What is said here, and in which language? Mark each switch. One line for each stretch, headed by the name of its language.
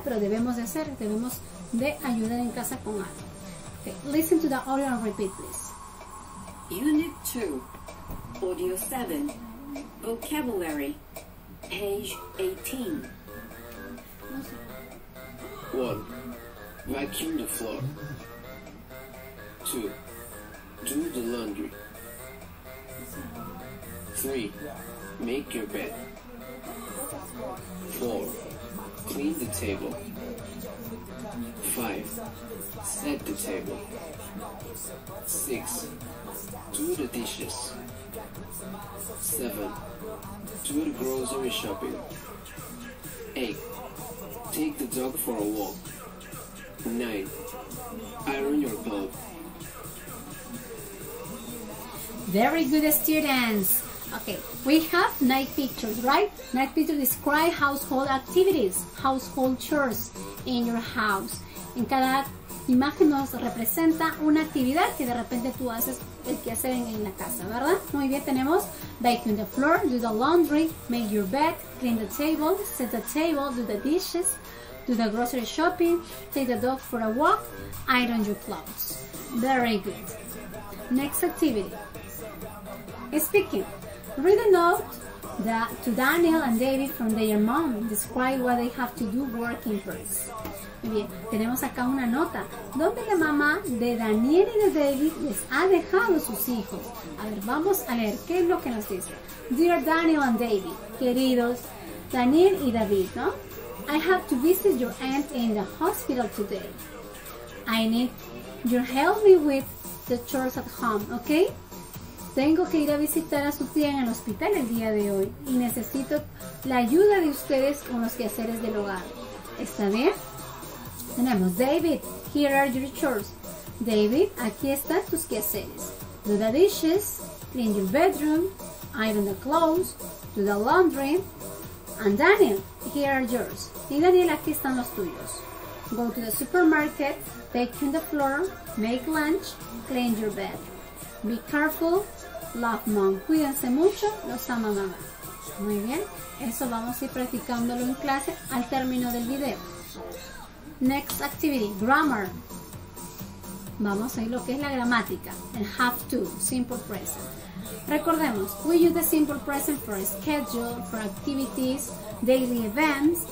Spanish: Pero debemos de hacer, debemos de ayudar en casa con algo.
English: Okay, listen to the audio and repeat, please. Unit 2, Audio 7, Vocabulary, page 18. 1. Vacuum the floor. 2. Do the laundry. 3. Make your bed. 4. Clean the table. 5. Set the table. 6. Do the dishes. 7. Do the grocery shopping. 8. Take the dog for a walk. 9. Iron your clothes. Very good, students. Okay, we have 9 pictures, right? 9 pictures describe household activities, household chores in your house.
Spanish: En cada imagen nos representa una actividad que de repente tú haces el quehacer en la casa, ¿verdad? Muy bien, tenemos
English: vacuum the floor, do the laundry, make your bed, clean the table, set the table, do the dishes, do the grocery shopping, take the dog for a walk, iron your clothes. Very good. Next activity. Speaking. Read a note to Daniel and David from their mom. Describe what they have to do working first.
Spanish: Muy bien, tenemos acá una nota. ¿Dónde la mamá de Daniel y de David les ha dejado sus hijos? A ver, vamos a leer qué es lo que nos dice.
English: Dear Daniel and David,
Spanish: queridos Daniel y David, ¿no?
English: I have to visit your aunt in the hospital today. I need your help me with the chores at home, okay?
Spanish: Tengo que ir a visitar a su tía en el hospital el día de hoy y necesito la ayuda de ustedes con los quehaceres del hogar. ¿Está bien? Tenemos,
English: David, here are your chores.
Spanish: David, aquí están tus quehaceres.
English: Do the dishes, clean your bedroom, iron the clothes, do the laundry. And Daniel, here are yours.
Spanish: Y Daniel, aquí están los tuyos.
English: Go to the supermarket, vacuum the floor, make lunch, clean your bed. Be careful, love mom.
Spanish: Cuídense mucho, los ama mamá. Muy bien, eso vamos a ir practicándolo en clase al término del video.
English: Next activity, grammar.
Spanish: Vamos a ir lo que es la gramática.
English: El have to, simple present. Recordemos, we use the simple present for a schedule, for activities, daily events.